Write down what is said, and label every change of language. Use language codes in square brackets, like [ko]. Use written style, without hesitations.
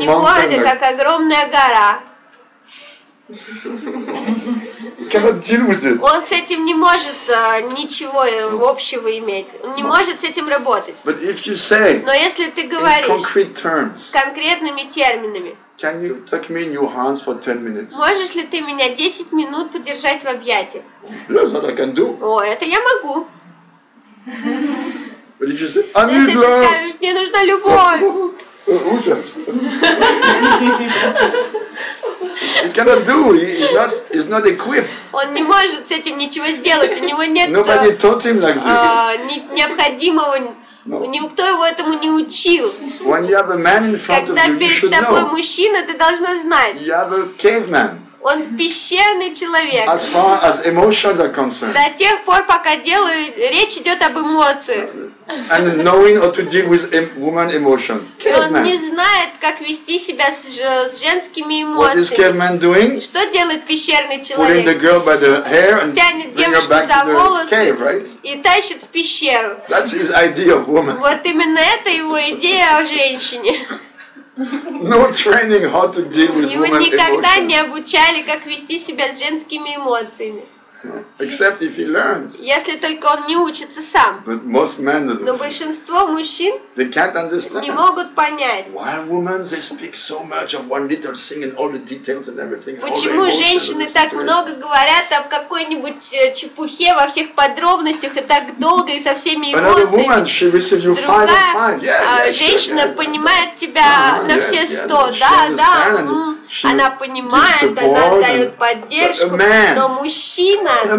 [ru] него это как огромная гора. [en] Cannot deal with it. [ru] Он с этим не может ничего общего иметь. Он не может с этим работать. [en] But if you say, [ru] Но если ты говоришь [en] in concrete terms, [ru] конкретными терминами, [en] can you take me in your hands for 10 minutes? [ru] Можешь ли ты меня 10 минут подержать в объятиях? [en] Yes, that I can do. [ru] О, это я могу. [en] But if you say, I need love. [ru] Если ты скажешь, мне нужна любовь. Ужас. [en] He cannot do. He's not equipped. [ru] Он не может с этим ничего сделать. У него нет. [en] Nobody taught him like this. [ru] Необходимого. [en] No. [ru] Никто его этому не учил. [en] When you have a man in front [ru] Когда [en] of you, you should know. [ru] Когда перед тобой мужчина, ты должна знать. [en] You have a caveman. [ru] он пещерный человек. [en] As far as emotions are concerned. [ru] До тех пор, пока делают, речь идет об эмоциях. [en] And knowing how to deal with woman emotion. [ru] Он не знает, как вести себя с женскими эмоциями. [en] What is caveman doing? [ru] Что делает пещерный человек? [en] Pulling the girl by the hair and bringing her back to the cave, right? [ru] И тащит в пещеру. [en] That's his idea of woman. [ru] Вот именно это его идея о женщине. [en] No training how to deal with women. [ru] Его никогда не обучали, как вести себя с женскими эмоциями. [en] Except if he learns. [ru] Если только он не учится сам. [en] But most men. [ru] Но большинство мужчин. [en] They can't understand. [ru] Не могут понять. [en] Why women they speak so much of one little thing and all the details and everything. [ru] Почему женщины так много говорят об какой-нибудь чепухе во всех подробностях и так долго и со всеми эмоциями? Другая женщина понимает тебя на все сто, да. Она понимает, она дает поддержку, но мужчина...